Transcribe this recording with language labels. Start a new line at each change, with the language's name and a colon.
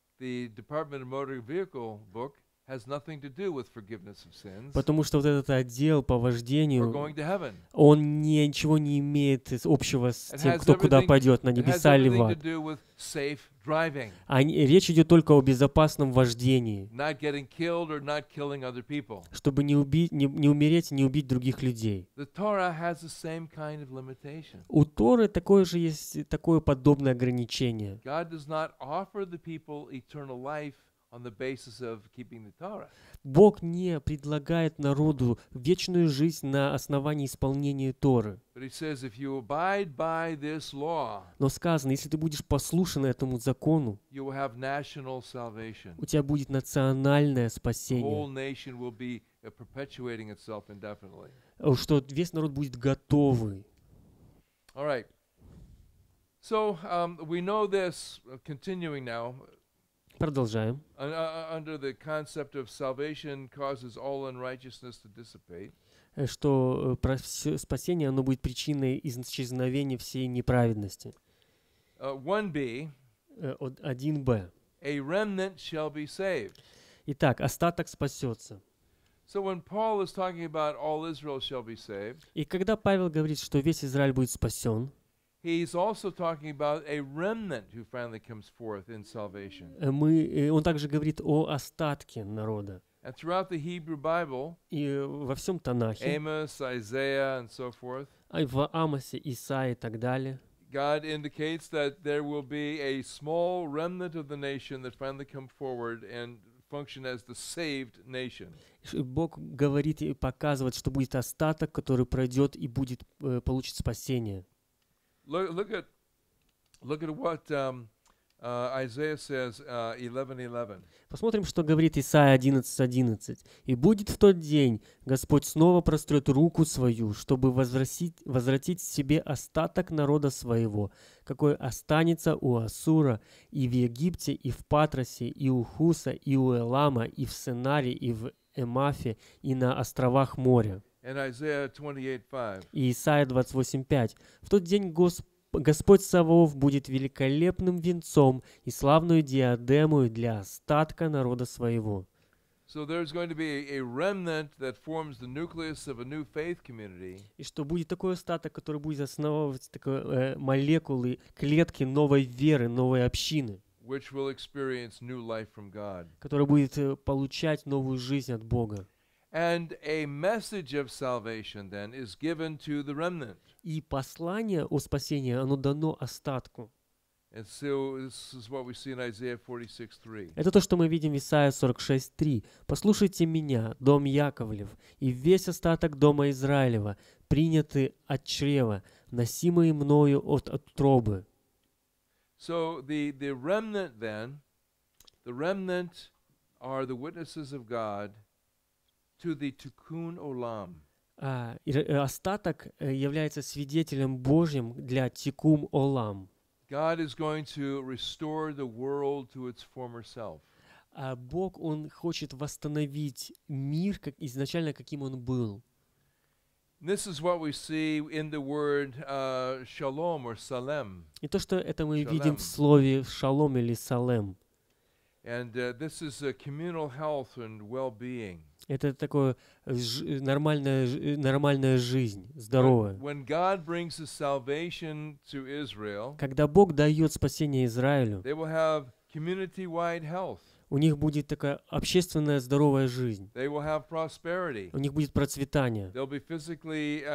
English: the Department of Motor Vehicle book has nothing to do with forgiveness of sins.
Russian: Потому что вот этот отдел по вождению,
English: going to heaven.
Russian: Он ничего не имеет общего с тем, кто куда пойдет, на небеса или в ад. Речь идет только о безопасном вождении.
English: Not getting killed or not killing other people.
Russian: Чтобы не умереть и не убить других людей.
English: The Torah has the same kind of limitation.
Russian: У Торы такое же есть, такое подобное ограничение.
English: God does not offer the people eternal life on the basis of keeping the Torah.
Russian: Бог не предлагает народу вечную жизнь на основании исполнения Торы.
English: But he says, if you abide by this law,
Russian: но сказано, если ты будешь послушен этому закону,
English: you will have national salvation.
Russian: У тебя будет национальное спасение.
English: The whole nation will be perpetuating itself indefinitely.
Russian: Что весь народ будет готовый.
English: All right. So, we know this, continuing now.
Russian: Продолжаем.
English: Under the concept of salvation causes all unrighteousness to dissipate.
Russian: Что спасение, оно будет причиной исчезновения всей неправедности. 1b. 1b.
English: A remnant shall be saved.
Russian: Итак, остаток спасется.
English: So when Paul is talking about all Israel shall be saved.
Russian: И когда Павел говорит, что весь Израиль будет спасен.
English: He's also talking about a remnant who finally comes forth in salvation.
Russian: Он также говорит о остатке народа.
English: And throughout the Hebrew Bible,
Russian: и во всем Танахе,
English: Amos, Isaiah, and so forth,
Russian: в Амосе, Исаии и так далее,
English: God indicates that there will be a small remnant of the nation that finally come forward and function as the saved nation.
Russian: Бог говорит и показывает, что будет остаток, который пройдет и будет получит спасение.
English: Look at what Isaiah says 11:11.
Russian: Посмотрим, что говорит Исаия 11:11. И будет в тот день, Господь снова прострет руку свою, чтобы возвратить себе остаток народа своего, какой останется у Ассура и в Египте и в Патросе и у Хуса и у Элама и в Сенаре и в Эмафе и на островах моря.
English: And Isaiah 28:5.
Russian: И Исаия 28:5. В тот день Господь Саваоф будет великолепным венцом и славную диадему для остатка народа своего.
English: So there's going to be a remnant that forms the nucleus of a new faith community.
Russian: И что будет такой остаток, который будет основывать такой молекулы, клетки новой веры, новой общины,
English: which will experience new life from God.
Russian: Которая будет получать новую жизнь от Бога.
English: And a message of salvation then is given to the remnant.
Russian: И послание о спасении, оно дано остатку.
English: And so this is what we see in Isaiah 46:3.
Russian: Это то, что мы видим в Исаии 46:3. Послушайте меня, дом Яковлев, и весь остаток дома Израилева, принятый от чрева, носимый мною от утробы.
English: So the remnant then, the remnant are the witnesses of God. To the tikkun olam.
Russian: Остаток является свидетелем Божьим для тикум олам.
English: God is going to restore the world to its former self.
Russian: Бог, он хочет восстановить мир как изначально каким он был.
English: This is what we see in the word shalom or salem.
Russian: И то, что это мы видим в слове шалом или салем.
English: And this is a communal health and well-being.
Russian: Это такое нормальная жизнь, здоровая. Когда Бог дает спасение Израилю, у них будет такая общественная здоровая жизнь. У них будет процветание.